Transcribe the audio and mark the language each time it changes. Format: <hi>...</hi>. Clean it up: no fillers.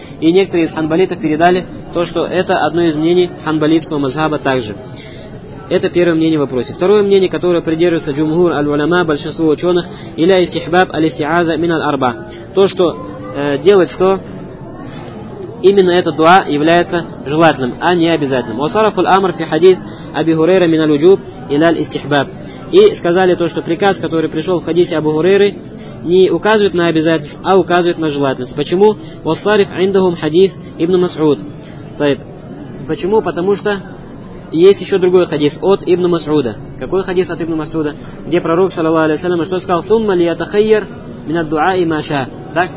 <ru>И некоторые из ханбалитов передали то, что это одно из мнений ханбалитского мазхаба также. Это первое мнение в вопросе. Второе мнение, которое придерживается джумхур аль-уляма, большинство ученых,</ru> <ar>«Иля истихбаб аль-истиаза мин аль-арба».</ar> <ru>То, что делает что? Именно этот дуа является желательным, а не обязательным.</ru> <ar>وصرف الأمر في حديث أبي هريرة من الوجوب إلى الاستحباب.</ar> <ru>И сказали то, что приказ, который пришел в хадисе Абу Хурейры, не указывает на обязательность, а указывает на желательность. Почему?</ru> <ar>وصرف عندهم حديث ابن مسعود. طيب. Почему?</ar> <ru>Потому что есть еще другой хадис от ибн Масуда. Какой хадис от ибн Масуда? Где пророк саллаллаху алейхи ва саллям что сказал:</ru> <ar>"Сумма ли ятахайяр мин ад-дуа и маша".</ar> <ru>Так?</ru>